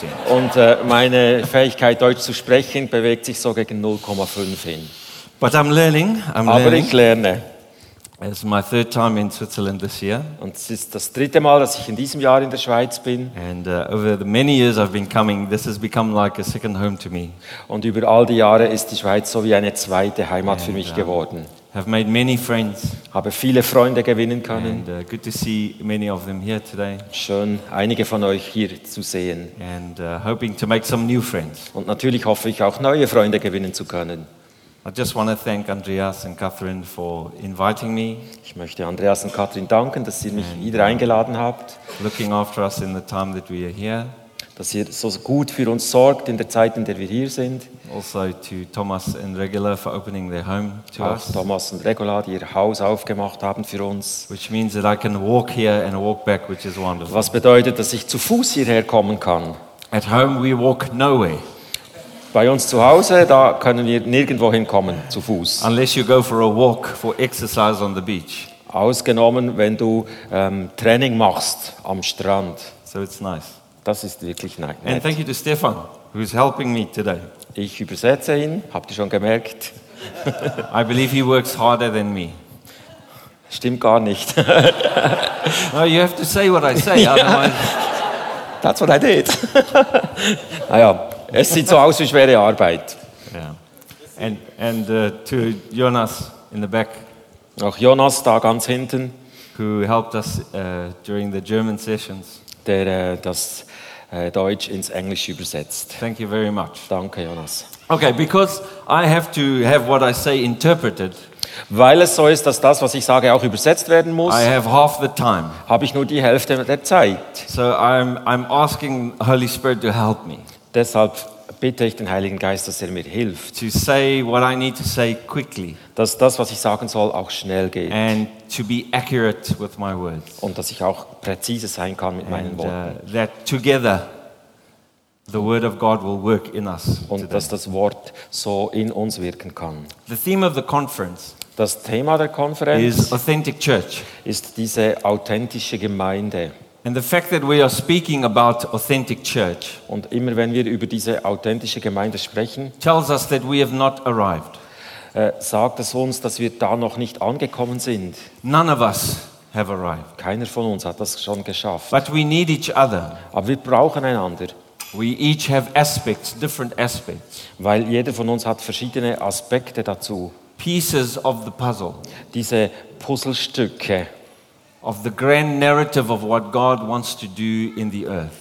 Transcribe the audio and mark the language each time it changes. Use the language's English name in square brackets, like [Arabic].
[German] Und meine Fähigkeit, Deutsch zu sprechen, bewegt sich so gegen 0.5 hin. [English] But I'm learning. [German] Ich lerne. [English] It's my third time in Switzerland this year. [German] Und es ist das dritte Mal, dass ich in diesem Jahr in der Schweiz bin. [English] And over the many years I've been coming, this has become like a second home to me. [German] Und über all die Jahre ist die Schweiz so wie eine zweite Heimat für mich geworden. [English] Have made many friends. [German] Habe viele Freunde gewinnen können. [English] And good to see many of them here today. [German] Schön, einige von euch hier zu sehen. [English] And hoping to make some new friends. [German] Und natürlich hoffe ich auch neue Freunde gewinnen zu können. [English] I just want to thank Andreas and Catherine for inviting me. [German] Ich möchte Andreas und Catherine danken, dass ihr mich wieder eingeladen habt. [English] Looking after us in the time that we are here. [German] Dass ihr so gut für uns sorgt in der Zeit, in der wir hier sind. [English] Also to Thomas and Regula for opening their home to [German] auch [English] us. [German] Thomas und Regula, die ihr Haus aufgemacht haben für uns. [English] Which means that I can walk here and walk back, which is wonderful. [German] Was bedeutet, dass ich zu Fuß hierher kommen kann? [English] At home we walk nowhere. [German] Bei uns zu Hause, da können wir nirgendwo hinkommen, zu Fuß. [English] Unless you go for a walk for exercise on the beach. [German] Ausgenommen, wenn du Training machst am Strand. [English] So it's nice. [German] Das ist wirklich nett. [English] And thank you to Stefan, who is helping me today. [German] Ich übersetze ihn, habt ihr schon gemerkt. [English] I believe he works harder than me. [German] Stimmt gar nicht. [English] No, you have to say what I say, otherwise... That's what I did. [German] Naja. Es sieht so aus wie schwere Arbeit. [English] Yeah. And to Jonas in the back. [German] Auch Jonas da ganz hinten. [English] Who helped us during the German sessions. [German] Der das Deutsch ins Englische übersetzt. [English] Thank you very much. [German] Danke, Jonas. [English] Okay, because I have to have what I say interpreted. [German] Weil es so ist, dass das, was ich sage, auch übersetzt werden muss, habe ich nur die Hälfte der Zeit. [English] So I'm asking Holy Spirit to help me. [German] Deshalb bitte ich den Heiligen Geist, dass er mir hilft. [English] To say what I need to say quickly. [German] Dass das, was ich sagen soll, auch schnell geht. [English] And to be accurate with my words. [German] Und dass ich auch präzise sein kann mit meinen Worten. [English] That together the word of God will work in us. [German] Und [English] today. [German] Dass das Wort so in uns wirken kann. [English] The theme of the conference. [German] Das Thema der Konferenz [English] is authentic church. [German] Ist diese authentische Gemeinde. [English] And the fact that we are speaking about authentic church [German] und immer wenn wir über diese authentische Gemeinde sprechen [English] tells us that we have not arrived. [German] Sagt es uns, dass wir da noch nicht angekommen sind. [English] None of us have arrived. [German] Keiner von uns hat das schon geschafft. [English] But we need each other. [German] Aber wir brauchen einander. [English] We each have aspects, different aspects. [German] Weil jeder von uns hat verschiedene Aspekte dazu. [English] Pieces of the puzzle. [German] Diese Puzzlestücke. [English] Of the grand narrative of what God wants to do in the earth.